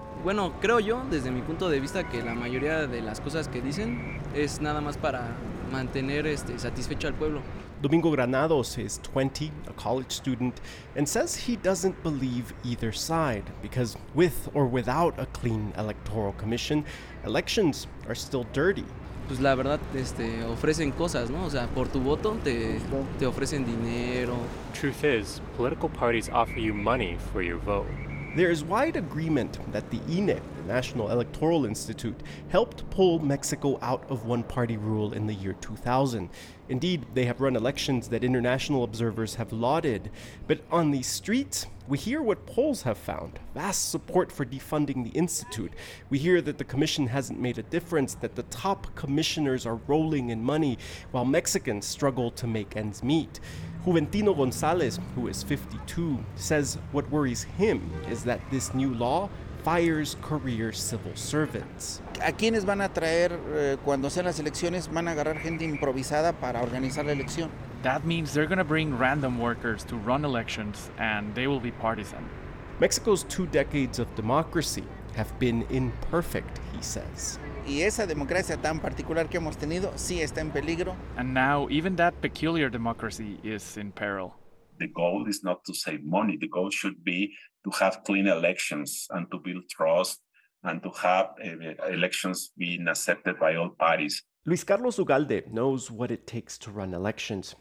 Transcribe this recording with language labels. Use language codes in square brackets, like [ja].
[es] Bueno, creo yo, desde mi punto de vista, que la mayoría de las cosas que dicen es nada más para mantener satisfecho al pueblo. [en] Domingo Granados is 20, a college student, and says he doesn't believe either side, because with or without a clean electoral commission, elections are still dirty. [es] Pues la verdad, ofrecen cosas, ¿no? O sea, por tu voto te ofrecen dinero. [en] Truth is, political parties offer you money for your vote. There is wide agreement that the INE, the National Electoral Institute, helped pull Mexico out of one-party rule in the year 2000. Indeed, they have run elections that international observers have lauded. But on the streets, we hear what polls have found: vast support for defunding the institute. We hear that the commission hasn't made a difference, that the top commissioners are rolling in money while Mexicans struggle to make ends meet. Juventino Gonzalez, who is 52, says what worries him is that this new law fires career civil servants. [es] ¿A quiénes van a traer cuando sean las elecciones? Van a agarrar gente improvisada para organizar la elección. [en] That means they're going to bring random workers to run elections, and they will be partisan. Mexico's 2 decades of democracy have been imperfect, he says. [es] Y esa democracia tan particular que hemos tenido sí está en peligro. [en] And now even that peculiar democracy is in peril. The goal is not to save money. The goal should be to have clean elections and to build trust and to have elections being accepted by all parties. Luis Carlos Ugalde knows what it takes to run elections.